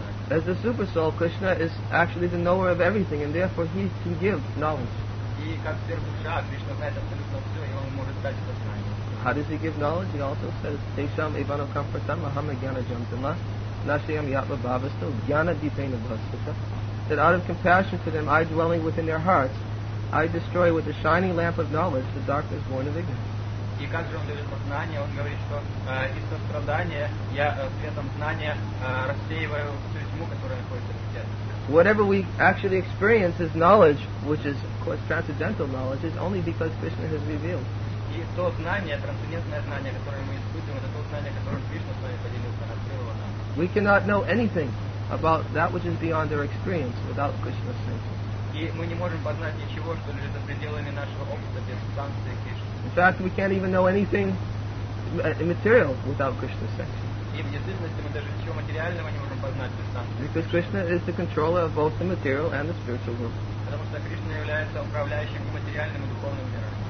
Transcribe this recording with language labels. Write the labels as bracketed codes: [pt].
[en] As the Supersoul, Krishna is actually the knower of everything, and therefore he can give knowledge. [ru] И как Сервуша, Кришна знает абсолютно все, и он может дать это знание. [en] How does he give knowledge? He also says, [sa] Tesham Ivano Kampratan Mahama Gyana Jantama, Nashayam Yatva Bhavasto, Gyana Dipena Bhastika. [en] That out of compassion for them, I dwelling within their hearts, I destroy with the shining lamp of knowledge the darkness born of ignorance. [ru] И как же он дает познание? Он говорит, что из сострадания я светом знания рассеиваю всю тьму, которая находится в сердце. [en] Whatever we actually experience is knowledge, which is of course transcendental knowledge, is only because Krishna has revealed. [ru] И то знание, трансцендентное знание, которое мы испытываем, это то знание, которое Кришна с вами поделился, открыл нам. [en] We cannot know anything about that which is beyond our experience without Krishna's sanction. [ru] И мы не можем познать ничего, что лежит за пределами нашего опыта без санкции Кришны. [en] In fact, we can't even know anything immaterial without Krishna's sanction. [ru] И в действительности мы даже ничего материального не можем познать без санкции. [en] Because Krishna is the controller of both the material and the spiritual world. [ru] Потому что Кришна является управляющим материальным и духовным миром.